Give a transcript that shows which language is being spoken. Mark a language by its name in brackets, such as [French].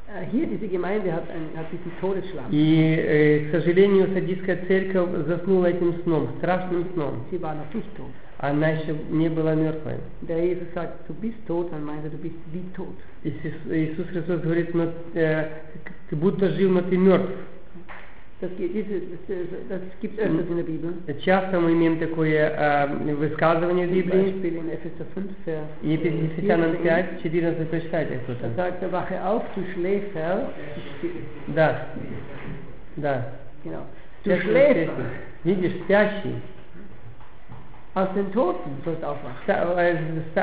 [German] Hier diese Gemeinde hat diesen Todesschlaf. [Russian] И, к сожалению, саддийская церковь заснула этим сном, страшным сном. [German] Sie war noch nicht tot. [Russian] Она еще не была мертвой. [German] Der Jesus sagt, du bist tot, dann meint er, du bist wie tot. [Russian] Иисус Христос говорит, но ты будто жив, но ты мертв. [German] Das gibt öfters in der Bibel. [Russian] Часто мы имеем такое высказывание в Библии. [German] Zum Beispiel in Epheser 5, [Russian] Vers 14. 14, прочитайте кто-то. [German] Da sagt er, wache auf, du Schläfer. [Russian] Да. Да. [German] Genau. Du Schläfer. [Russian] Видишь, спящий. [German] Aus den Toten sollst du aufwachen.